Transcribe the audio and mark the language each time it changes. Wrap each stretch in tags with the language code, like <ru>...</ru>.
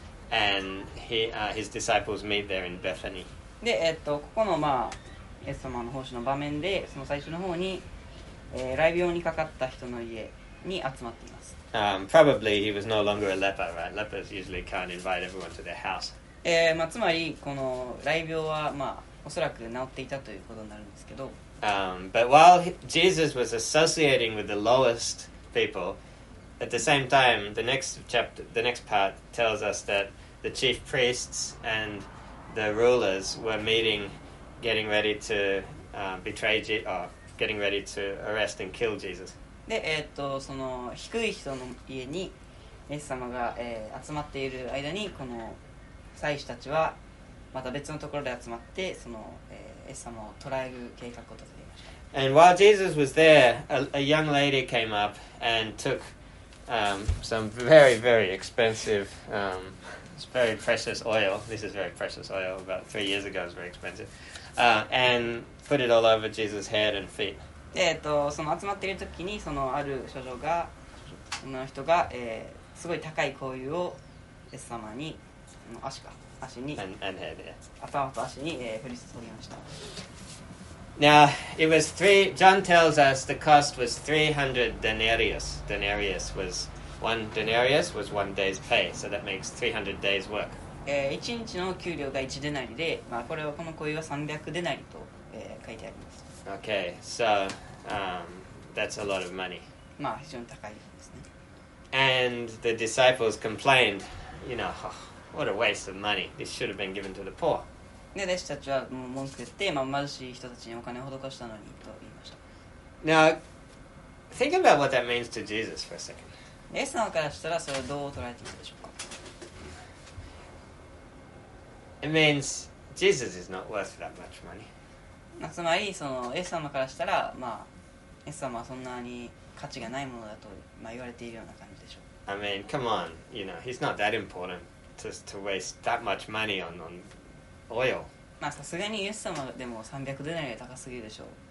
<en>And his disciples meet there in Bethany.</en> <ja>で、ここのまあ、イエス様の奉仕の場面で、その最初の方に、雷病にかかった人の家に集まっています。</ja> <en>Probably he was no longer a leper, right? Lepers usually can't invite everyone to their house.</en> <ja>まあ、つまり、この雷病は、まあ、おそらく治っていたということになるんですけど。</ja> <en>But while Jesus was associating with the lowest people,At the same time, the next part tells us that the chief priests and the rulers were meeting, getting ready to betray Jesus, or getting ready to arrest and kill Jesus.</en> <ja>で、その低い人の家にイエス様が、集まっている間に、この祭司たちはまた別のところで集まって、その、イエス様を捕らえる計画を立てていました。</ja> <en>And while Jesus was there, a young lady came up and took some very, very expensive, very precious oil. This is very precious oil. About 3 years ago, it was very expensive. And put it all over Jesus' head and feet.</en> <ja>で、その集まっている時に、そのある少女が、その人が、すごい高い香油をイエス様に、その足か、足に、</ja> <en>and head, yeah.</en> <ja>頭と足に、振り注ぎました。</ja> <en>Now, it was John tells us the cost was 300 denarius. Denarius was one denarius was one day's pay, so that makes 300 days' work.</en> <ja>1日の給料が1デナリで、まあ、これはこの小湯は300デナリと、書いてあります。</ja> <en>Okay, so that's a lot of money.</en> <ja>まあ、非常に高いですね。</ja> <en>And the disciples complained, you know, oh, what a waste of money. This should have been given to the poor.</en> <ja>で、弟子たちはもう文句言って、まあ、貧しい人たちにお金を施したのにと言いました。</ja> <en>Now, think about what that means to Jesus for a second.</en> <ja>イエス様からしたらそれをどう捉えていたでしょうか?</ja> <en>It means Jesus is not worth that much money.</en> <ja>まあ、つまりそのイエス様からしたら、まあ、イエス様はそんなに価値がないものだと、まあ、言われているような感じでしょう。</ja> <en>I mean, come on, you know, he's not that important to waste that much money on... Oil.</en> <ja>まあさすがにイエス様でも300デナリは高すぎるでしょう。</ja>